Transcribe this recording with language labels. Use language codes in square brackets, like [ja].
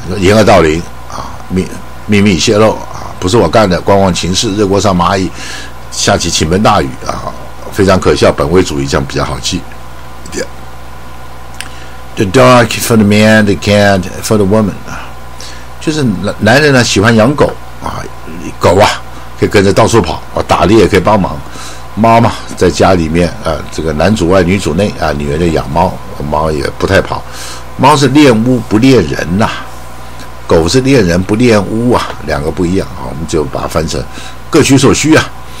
[zh] 你说掩耳盗铃啊，秘密泄露啊，不是我干的，观望情势，热锅上蚂蚁，下起倾盆大雨啊，非常可笑，本位主义这样比较好记一点。 [en] the dog for the man, the cat for the woman. [zh] 就是男人呢喜欢养狗啊，狗啊可以跟着到处跑啊，打猎也可以帮忙。妈妈在家里面啊，这个男主外女主内啊，女人就养猫，猫也不太跑。猫是恋屋不恋人呐、啊，狗是恋人不恋屋啊，两个不一样啊，我们就把它翻成各取所需啊。